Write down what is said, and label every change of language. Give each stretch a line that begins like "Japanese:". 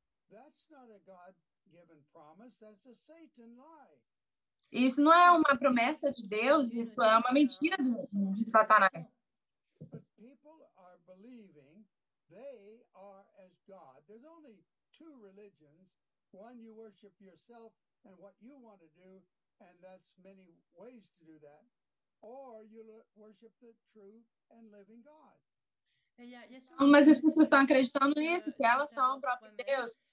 English: That's not a God-given promise, that's a Satan lie.
Portuguese: Isso não é uma promessa de Deus, isso é uma mentira de Satanás.
English: But people are believing they are as God. There's only two religions. One, you worship yourself and what you want to do, and that's many ways to do that. Or you worship the true and living God.
Portuguese: Mas as pessoas estão acreditando nisso, que elas são o próprio Deus.